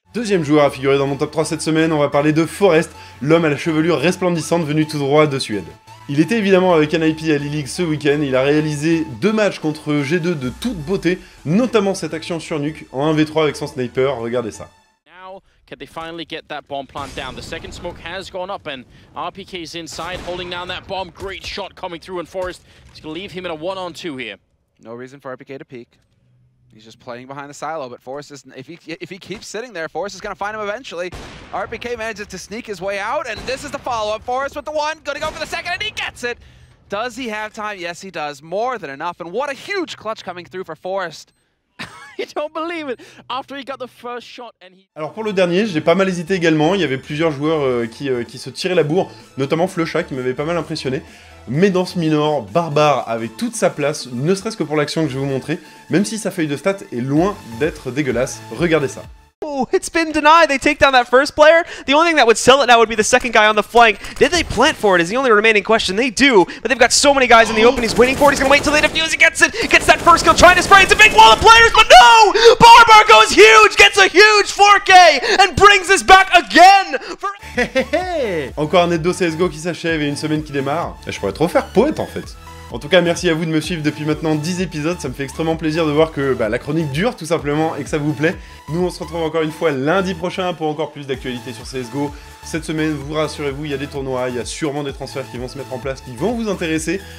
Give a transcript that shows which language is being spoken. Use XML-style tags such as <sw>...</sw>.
<fr>Deuxième joueur à figurer dans mon top 3 cette semaine, on va parler de Forest, l'homme à la chevelure resplendissante venu tout droit de Suède. Il était évidemment avec NIP à l'E-League ce week-end, il a réalisé 2 matchs contre G2 de toute beauté, notamment cette action sur Nuke en 1v3 avec son sniper, regardez ça.</fr> <en>Can they finally get that bomb plant down? The second smoke has gone up and RPK is inside holding down that bomb. Great shot coming through and Forest is going to leave him in a 1-on-2 here. No reason for RPK to peek. He's just playing behind the silo, but Forrest is, if he keeps sitting there, Forrest is going to find him eventually. RPK manages to sneak his way out, and this is the follow-up. Forrest with the one, going to go for the second, and he gets it. Does he have time? Yes, he does. More than enough, and what a huge clutch coming through for Forrest. You don't believe it. After he got the first shot and he...</en> <fr>Alors pour le dernier, j'ai pas mal hésité également. Il y avait plusieurs joueurs qui se tiraient la bourre, notamment Flusha, qui m'avait pas mal impressionné. Mais dans ce Minor, Barbare avait toute sa place, ne serait-ce que pour l'action que je vais vous montrer, même si sa feuille de stats est loin d'être dégueulasse. Regardez ça.</fr> <en>Oh, it's been denied. They take down that first player. The only thing that would sell it now would be the second guy on the flank. Did they plant for it is the only remaining question. They do, but they've got so many guys in the open. He's waiting for it. He's going to wait until they defuse. He gets it. Gets that first kill. Trying to spray. It's a big wall of players, but no! Barbar goes huge. Gets a huge 4K and brings this back again. For...</en> <fr>Encore un Eddo CSGO qui s'achève et une semaine qui démarre. Je pourrais trop faire poète en fait. En tout cas, merci à vous de me suivre depuis maintenant 10 épisodes, ça me fait extrêmement plaisir de voir que bah, la chronique dure tout simplement et que ça vous plaît. Nous, on se retrouve encore une fois lundi prochain pour encore plus d'actualités sur CSGO. Cette semaine, vous rassurez-vous, il y a des tournois, il y a sûrement des transferts qui vont se mettre en place, qui vont vous intéresser.</fr>